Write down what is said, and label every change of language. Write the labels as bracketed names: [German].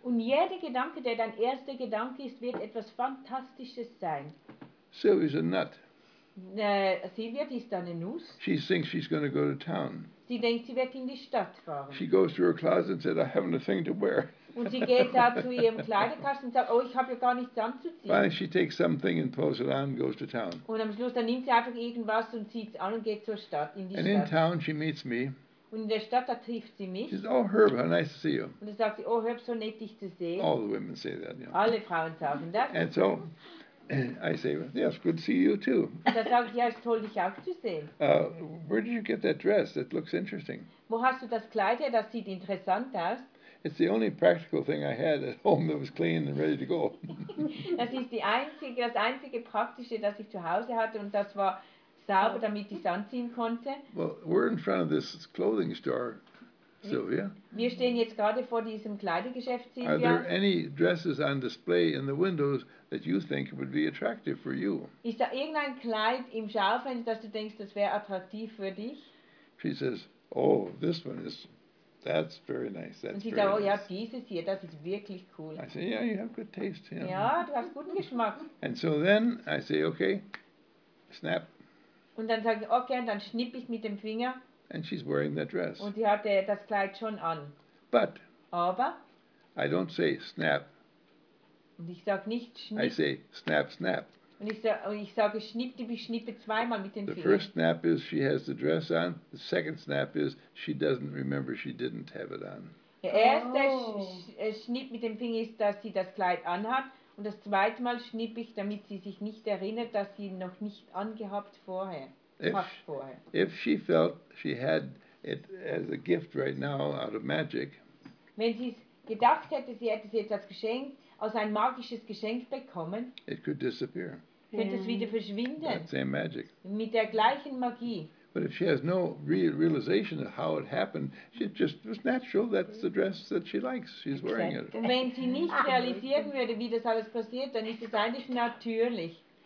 [German] Und jeder Gedanke, der dein erster Gedanke ist, wird etwas Fantastisches sein. [English] Sylvie's a nut. [German] Sylvia, die ist eine Nuss. [English] She thinks she's going to go to town. [German] Sie denkt, sie wird in die Stadt fahren. [English] She goes to her closet and says, I haven't a thing to wear. [German] Und sie geht da zu ihrem Kleiderkasten und sagt, oh, ich habe ja gar nichts anzuziehen. [English] Finally, she takes something and pulls it on and goes to town. [German] Und am Schluss, dann nimmt sie einfach irgendwas und zieht es an und geht zur Stadt, in die [English] and [German] Stadt. [English] And in town, she meets me. [German] Und in der Stadt, da trifft sie mich. [English] She says, oh, Herb, how nice to see you. [German] Und dann sagt sie, oh, Herb, so nett, dich zu sehen. [English] All the women say that, yeah. [German] Alle Frauen sagen das. [English] And so... I say, yes, good to see you too. [German] Da sage ich, ja, es ist toll, dich auch zu sehen. [English] Where did you get that dress? That looks interesting. [German] Wo hast du das Kleid her? Das sieht interessant aus. [English] It's the only practical thing I had at home that was clean and ready to go. [German] Das ist das einzige Praktische, das ich zu Hause hatte, und das war sauber, damit ich es anziehen konnte. [English] Well, we're in front of this clothing store, Sylvia. [German] Wir stehen jetzt gerade vor diesem Kleidergeschäft, Sylvia. [English] Are there any dresses on display in the windows that you think would be attractive for you? [German] Ist da irgendein Kleid im Schaufenster, das du denkst, das wäre attraktiv für dich? [English] She says, oh, this one is, that's very nice. That's [German] Und sie sagt, oh ja, dieses hier, das ist wirklich cool. [English] I say, yeah, you have good taste. Yeah. [German] Ja, du hast guten Geschmack. [English] And so then I say, okay, snap. [German] Und dann sage ich, okay, und dann schnipp ich mit dem Finger. [English] And she's wearing that dress. [German] Und sie hatte das Kleid schon an. [English] But. [German] Aber. [English] I don't say snap. [German] Und ich sage nicht schnipp. [English] I say snap, snap. [German] Und ich sage schnipp, die beschnippe zweimal mit den Fingern. [English] The first snap is she has the dress on. The second snap is she doesn't remember she didn't have it on. [German] Der erste Schnipp mit dem Finger ist, dass sie das Kleid anhat. Und das zweite Mal schnipp ich, damit sie sich nicht erinnert, dass sie ihn noch nicht angehabt vorher. [English] If she felt she had it as a gift right now out of magic, [German] wenn sie es gedacht hätte, sie hätte es jetzt als Geschenk, als ein magisches Geschenk bekommen, [English] it could disappear. Mm. [German] Könnte es wieder verschwinden. [English] That same magic. [German] Mit der gleichen Magie. [English] But if she has no real realization of how it happened, it just was natural. That's the dress that she likes. She's exactly. Wearing it. [German] Und wenn sie nicht realisieren würde, wie das alles passiert, dann ist es eigentlich natürlich.